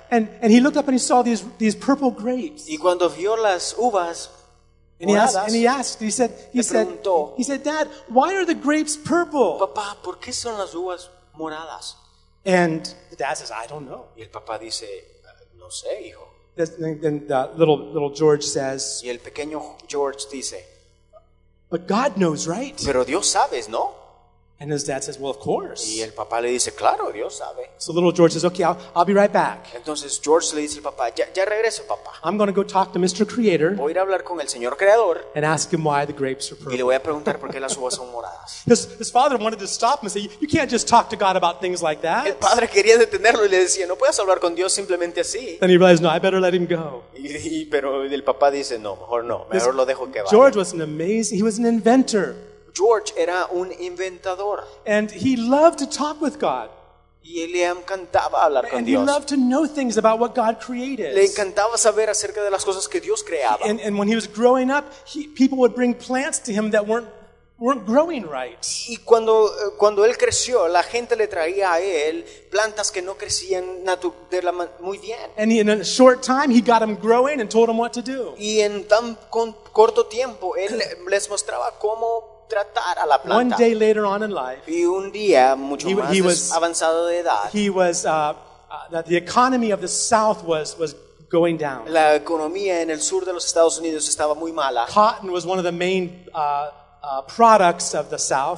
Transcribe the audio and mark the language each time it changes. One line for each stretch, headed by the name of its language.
English: And he looked up and he saw these purple grapes.
Spanish: Y cuando vio las uvas moradas,
English: he said, Dad, why are the grapes purple?
Spanish: Papá, ¿por qué son las uvas moradas?
English: And the dad says, I don't know.
Spanish: Y el papá dice, no sé, hijo.
English: Then the little George says,
Spanish: y el pequeño George dice,
English: but God knows, right?
Spanish: Pero Dios sabe, ¿no?
English: And his dad says, well, of course.
Spanish: Y el papá le dice, claro, Dios sabe.
English: So little George says, okay, I'll be right back.
Spanish: Entonces George le dice al papá, ya regreso, papá.
English: I'm going to go talk to Mr. Creator.
Spanish: Voy a ir a hablar con el Señor Creador.
English: And ask him why the grapes are purple.
Spanish: Y le voy a preguntar por qué las uvas son moradas.
English: His father wanted to stop him and say, you can't just talk to God about things like that.
Spanish: El padre quería detenerlo y le decía, no puedes hablar con Dios simplemente así.
English: Then he realized, no, I better let him go.
Spanish: Y pero el papá dice, no, mejor no, mejor lo dejo que vaya.
English: George was an amazing, he was an inventor.
Spanish: George era un inventador.
English: And he loved to talk with God.
Spanish: Y le encantaba hablar con
English: and
Spanish: Dios.
English: He loved to know things about what God created.
Spanish: Le encantaba saber acerca de las cosas que Dios creaba.
English: And when he was growing up, people would bring plants to him that weren't growing right.
Spanish: Y cuando él creció, la gente le traía a él plantas que no crecían muy bien.
English: And in a short time, he got them growing and told them what to do.
Spanish: Y en tan corto tiempo, él les mostraba cómo tratar a la planta.
English: One day later on in life,
Spanish: y un día, mucho más avanzado de edad,
English: he was that the economy of the South was going down.
Spanish: La economía en el sur de los Estados Unidos estaba muy mala.
English: Cotton was one of the main products of the South.